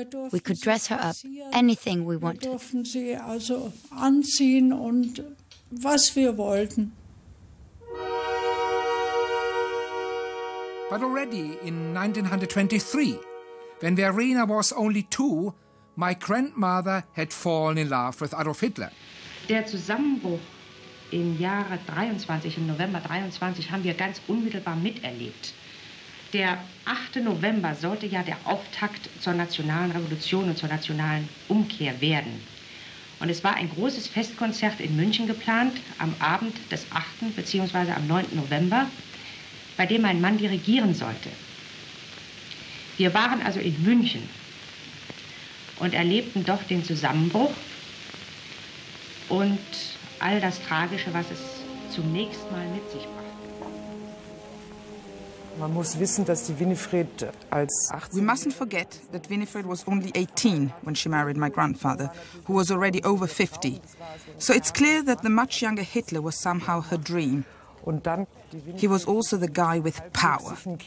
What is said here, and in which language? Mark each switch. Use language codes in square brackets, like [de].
[en] We could dress her up, anything we wanted. [de] Wir durften sie also anziehen und was wir wollten. [en] But already in 1923, when Verena was only two, my grandmother had fallen in love with Adolf Hitler. [de] Der Zusammenbruch im Jahre 23, im November 23, haben wir ganz unmittelbar miterlebt. Der 8. November sollte ja der Auftakt zur nationalen Revolution und zur nationalen Umkehr werden. Und es war ein großes Festkonzert in München geplant, am Abend des 8. bzw. am 9. November, bei dem mein Mann dirigieren sollte. Wir waren also in München und erlebten doch den Zusammenbruch und all das Tragische, was es zum nächsten Mal mit sich brachte. Man muss wissen, dass die Winifred als 18. [en] We mustn't forget that Winifred was only 18 when she married my grandfather, who was already over 50. So it's clear that the much younger Hitler was somehow her dream. [de] Und dann [en] he was also the guy with power.